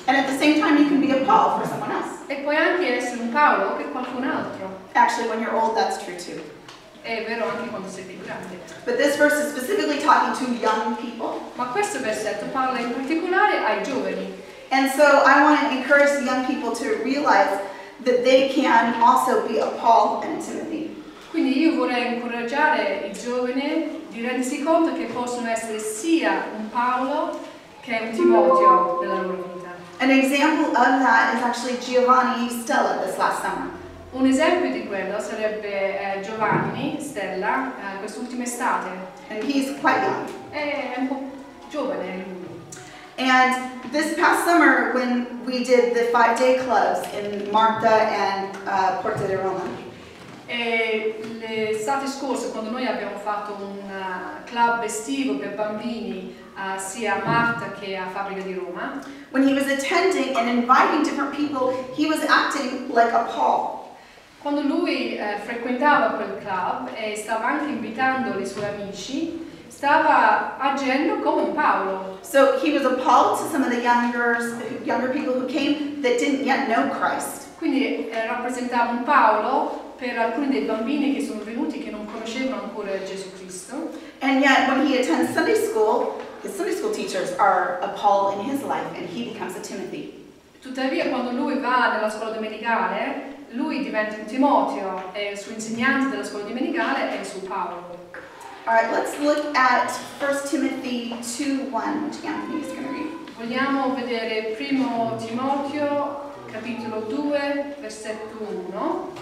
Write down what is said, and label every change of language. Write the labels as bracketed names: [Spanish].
[English] And at the same time, you can be a Paul for someone else. [Italian] E puoi anche essere un Paolo per qualcun altro. [English] Actually, when you're old, that's true too. [Italian] È vero anche quando sei più grande. [English] But this verse is specifically talking to young people. [Italian] Ma questo versetto parla in particolare ai giovani. [English] And so I want to encourage the young people to realize that they can also be a Paul and a Timothy. [Italian] Quindi io vorrei incoraggiare i giovani di rendersi conto che possono essere sia un Paolo che un Timoteo nella loro vita. [English] An example of that is actually Giovanni Stella this last summer. [Italian] Un esempio di quello sarebbe Giovanni Stella quest'ultima estate. [English] And he's quite young. [Italian] È un po' giovane lui. [English] And this past summer, when we did the five-day clubs in Marta and Porta di Roma. [Italian] E l'estate scorsa, quando noi abbiamo fatto un club estivo per bambini sia a Marta che a Fabbrica di Roma. [English] When he was attending and inviting different people, he was acting like a Paul. [Italian] Quando lui frequentava quel club e stava anche invitando le sue amici, stava agendo come un Paolo. [English] So he was a Paul to some of the younger people who came that didn't yet know Christ. [Italian] Quindi rappresentava un Paolo per alcuni dei bambini che sono venuti che non conoscevano ancora Gesù Cristo. [English] And yet when he attends Sunday school, his Sunday school teachers are a Paul in his life and he becomes a Timothy. [Italian] Tuttavia quando lui va nella scuola domenicale, lui diventa un Timoteo e il suo insegnante della scuola domenicale è il suo Paolo. [English] All right, let's look at 1 Timothy 2:1, which Anthony is going to read. [Italian] Vogliamo vedere 1 Timoteo, capitolo 2, versetto 1.